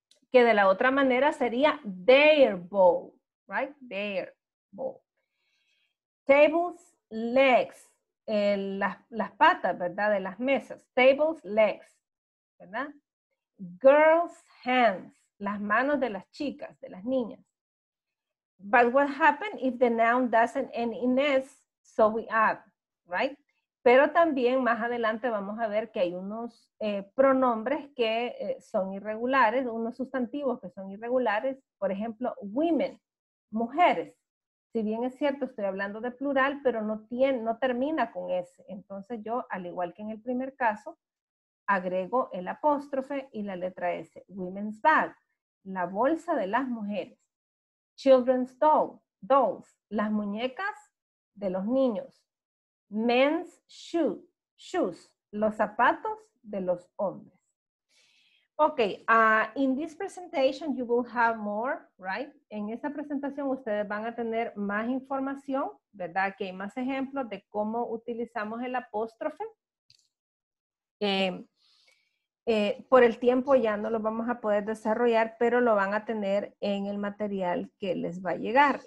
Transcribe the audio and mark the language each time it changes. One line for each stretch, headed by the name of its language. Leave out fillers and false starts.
Spanish: Que de la otra manera sería
English: their bowl, right? Their bowl. Tables, legs,
Spanish: las patas, ¿verdad? De las mesas.
English: Tables, legs,
Spanish: ¿verdad?
English: Girls, hands,
Spanish: las manos de las chicas, de las niñas.
English: But what happened if the noun doesn't end in S, so we add, right?
Spanish: Pero también más adelante vamos a ver que hay unos pronombres que son irregulares, unos sustantivos que son irregulares. Por ejemplo, women, mujeres. Si bien es cierto, estoy hablando de plural, pero no termina con S. Entonces yo, al igual que en el primer caso, agrego el apóstrofe y la letra S.
English: Women's bag,
Spanish: la bolsa de las mujeres.
English: Children's doll, dolls,
Spanish: las muñecas de los niños.
English: Men's shoes,
Spanish: los zapatos de los hombres.
English: Okay, in this presentation you will have more, right?
Spanish: En esta presentación ustedes van a tener más información, ¿verdad? Que hay más ejemplos de cómo utilizamos el apóstrofe. Por el tiempo ya no lo vamos a poder desarrollar, pero lo van a tener en el material que les va a llegar.